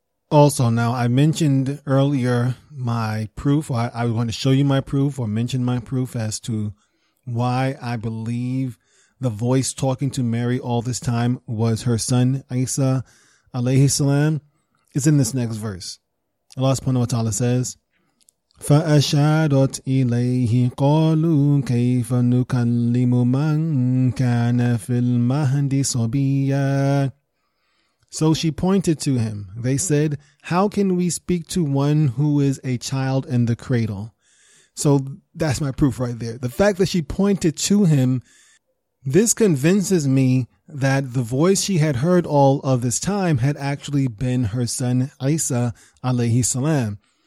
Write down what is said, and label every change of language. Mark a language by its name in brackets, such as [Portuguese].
[English] Also, now I mentioned earlier my proof, or I was going to show you my proof or mention my proof as to why I believe the voice talking to Mary all this time was her son, Isa alayhi salam. It's in this next verse. [Arabic] Allah subhanahu wa ta'ala says, فَأَشَارَتْ إِلَيْهِ قَالُوا كَيْفَ نُكَلِّمُ مَنْ كَانَ فِي الْمَهْدِ صَبِيًّا. [English] So she pointed to him. They said, how can we speak to one who is a child in the cradle? So that's my proof right there. The fact that she pointed to him, this convinces me that the voice she had heard all of this time had actually been her son, Isa alayhi salam.